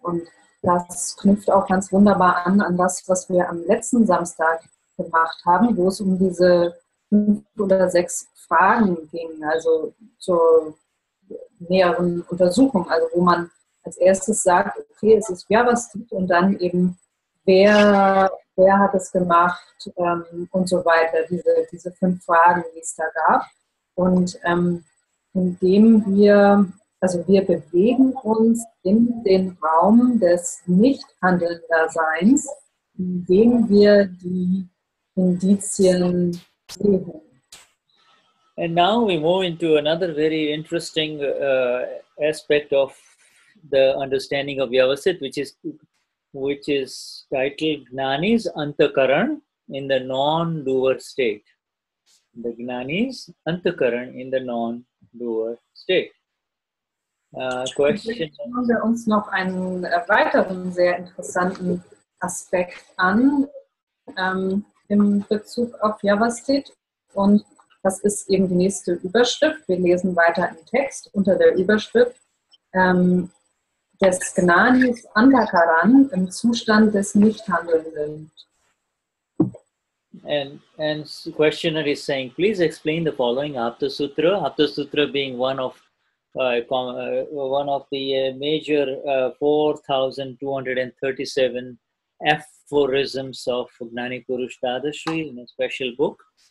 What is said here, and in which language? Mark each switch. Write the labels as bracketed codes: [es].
[de] Und das knüpft auch ganz wunderbar an das, was wir am letzten Samstag gemacht haben, wo es um diese 5 oder 6 Fragen ging, also zur näheren Untersuchung, also wo man als erstes sagt, okay, es ist JavaScript und dann eben, wer hat es gemacht und so weiter, diese 5 Fragen, die es da gab. Und indem wir bewegen uns in den Raum des Nichthandelnderseins, indem wir die Indizien sehen. [en] And now we move into another very interesting aspect of the understanding of Vyavasthita, which is titled Gnani's Antakaran in the non-doer state. The Gnani's Antakaran in the non-doer state. Question. [de] Jetzt schauen wir uns noch einen weiteren sehr interessanten Aspekt an in Bezug auf Vyavasthita. Und das ist eben die nächste Überschrift. Wir lesen weiter im Text unter der Überschrift des Gnanis Antakaran im Zustand des Nichthandelnden. [en] And the questioner is saying, please explain the following Apta Sutra. Apta Sutra being one of the major 4,237 aphorisms of Gnani Purush Tadashri in a special book.